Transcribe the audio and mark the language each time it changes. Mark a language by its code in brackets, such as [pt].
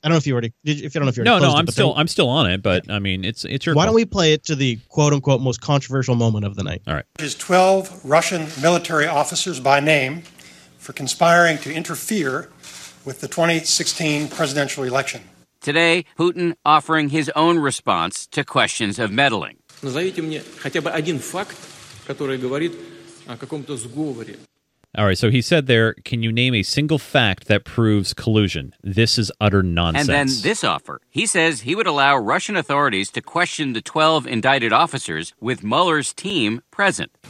[en] I'm still on it. But yeah. I mean, it's your why don't we play it to the quote unquote most controversial moment of the night? All right. His 12 Russian military officers by name for conspiring to interfere with the 2016 presidential election. Today, Putin offering his own response to questions of meddling. [ru] Назовите мне хотя бы один факт, который говорит о каком-то сговоре. [en] All right, so he said there, can you name a single fact that proves collusion? This is utter nonsense. And then this offer. He says he would allow Russian authorities to question the 12 indicted officers with Mueller's team present.